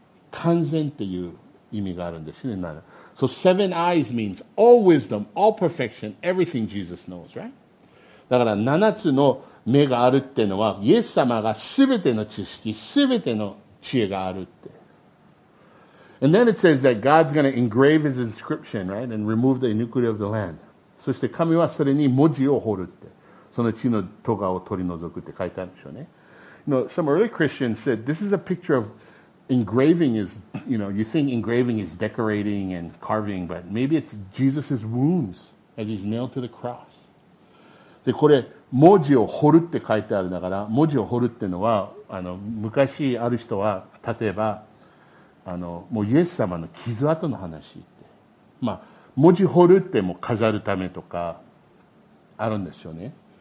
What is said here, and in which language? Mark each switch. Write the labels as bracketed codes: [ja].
[ja] 完全っていう意味があるんですね。 [en] So seven eyes means all wisdom, all perfection, everything Jesus knows, right? [ja] だから七つの目があるってのは、イエス様がすべての知識、すべての知恵があるって。 [en] And then it says that God's going to engrave his inscription, right? And remove the iniquity of the land. [ja] そして神はそれに文字を彫るって。その血の咎を取り除くって書いてあるんでしょうね。 [en] You know, some early Christians said, this is a picture of,Engraving is, you know, you think engraving is decorating and carving, but maybe it's Jesus' wounds as he's nailed to the cross. [ja] でこれ文字を彫るって書いてあるだから文字を彫るっていうのはあの昔ある人は例えばあのもうイエス様の傷跡の話って、まあ、文字彫るってもう飾るためとかあるんですよね。